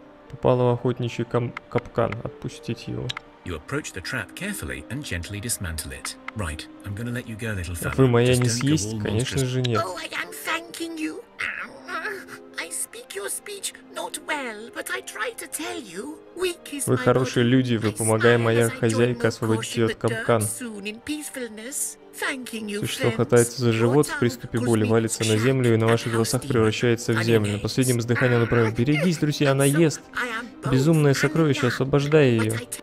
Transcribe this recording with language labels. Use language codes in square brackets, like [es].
[ru] Попала в охотничий капкан. Отпустить его. [en] You approach the trap carefully and gently dismantle it. Right, I'm gonna let you go, little fella. [ru] Вы моя не съесть? Конечно же нет. [en] Oh, I am thanking you. I speak your speech not well, but I try to tell you. Weak is my body. [ru] Вы хорошие люди, вы помогая моя хозяйка освободить ее от капкан. Существо хватается за живот в приступе боли, валится на землю и на ваших глазах превращается в землю. На последнем издыхании он управляет. Берегись, друзья, она ест. Безумное сокровище, освобождай ее.